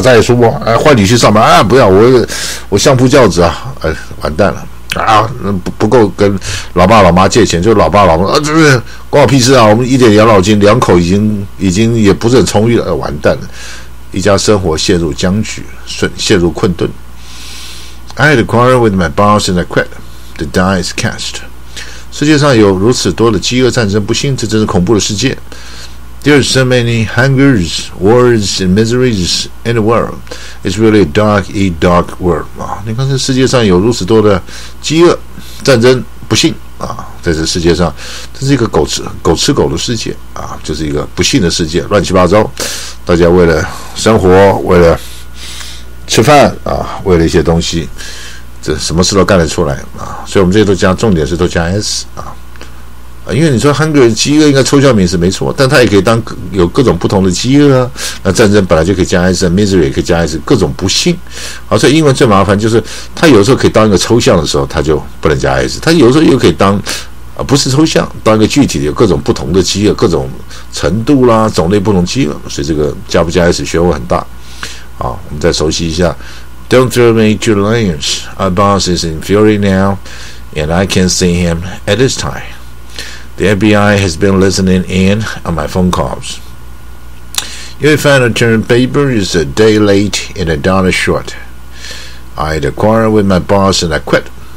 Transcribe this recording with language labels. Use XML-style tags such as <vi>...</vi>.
<zh>再说不，哎，换你去上班啊？不要，我相夫教子啊！哎，完蛋了啊！不够跟老爸老妈借钱，就老爸老妈啊，这关我屁事啊！我们一点养老金，两口已经也不是很充裕了，完蛋了，一家生活陷入僵局，陷入困顿。</zh> <en>I had a quarrel with my boss and I quit. The die is cast.</en> <zh>世界上有如此多的饥饿战争不幸，这真是恐怖的世界。</zh> <en>There are so many hungers, wars and miseries in the world. It's really a dark, a dark world.</en> <zh>啊，你看这世界上有如此多的饥饿战争不幸啊，在这世界上这是一个狗吃狗的世界啊，就是一个不幸的世界，乱七八糟，大家为了生活，为了吃饭啊，为了一些东西，这什么事都干得出来啊，所以我们这些都加，重点是都加 s 啊，因为你说 hunger 饥饿应该抽象名词没错，但它也可以当有各种不同的饥饿啊，那战争本来就可以加 s， misery 也可以加 s， 各种不幸啊，所以英文最麻烦就是它有时候可以当一个抽象的时候它就不能加 s， 它有时候又可以当啊不是抽象，当一个具体的有各种不同的饥饿，各种程度啦，种类不同饥饿，所以这个加不加 s 学问很大啊，我们再熟悉一下。</zh> <en>Don't throw me to the lions. Our boss is in fury now, and I can't see him at this time. The FBI has been listening in on my phone calls. Your final term paper is a day late and a dollar short. I had a quarrel with my boss and I quit.</en>